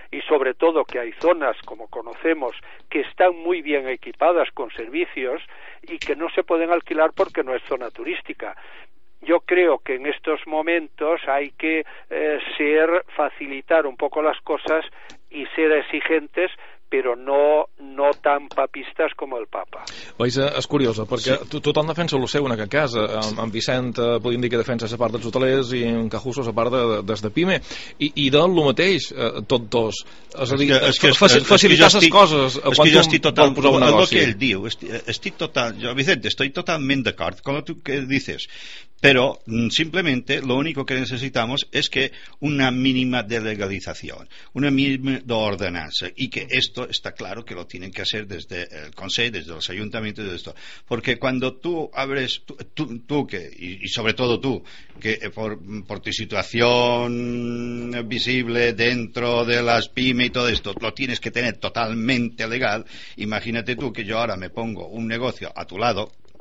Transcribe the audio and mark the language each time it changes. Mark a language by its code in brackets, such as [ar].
[es] Y sobre todo que hay zonas, como conocemos, que están muy bien equipadas con servicios y que no se pueden alquilar porque no es zona turística. Yo creo que en estos momentos hay que facilitar un poco las cosas y ser exigentes, [ca] però no tan papistes com el Papa. Veus, és curiosa, perquè sí. Tothom defensa el seu en aquest cas. En Vicent podríem dir que defensa la part dels hotelers i en Cajusos a part des de Pime. I del lo mateix, tots dos. És a dir, facilitar les coses quan tu vols posar un negoci. És que jo estic totalment d'acord amb el que ell diu. Vicent, estic totalment d'acord amb el que dices. [es] Pero simplemente lo único que necesitamos es que una mínima de legalización, una mínima de ordenanza, y que esto está claro que lo tienen que hacer desde el Consejo, desde los ayuntamientos, desde esto. Porque cuando tú abres, tú, y sobre todo tú, que por tu situación visible dentro de las pymes y todo esto, lo tienes que tener totalmente legal, imagínate tú que yo ahora me pongo un negocio a tu lado,